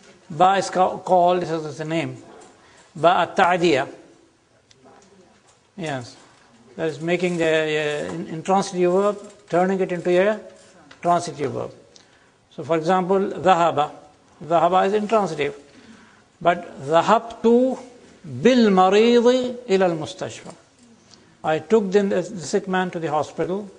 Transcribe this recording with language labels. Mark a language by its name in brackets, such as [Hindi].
[English] Ba is called, this is the name. Ba at-ta'diya. Yes. That is making the intransitive verb, turning it into a transitive verb. So for example, ذهب. ذهب is intransitive. [Arabic] But ذهبت بالمريض إلى المستشفى. [English] I took the sick man to the hospital.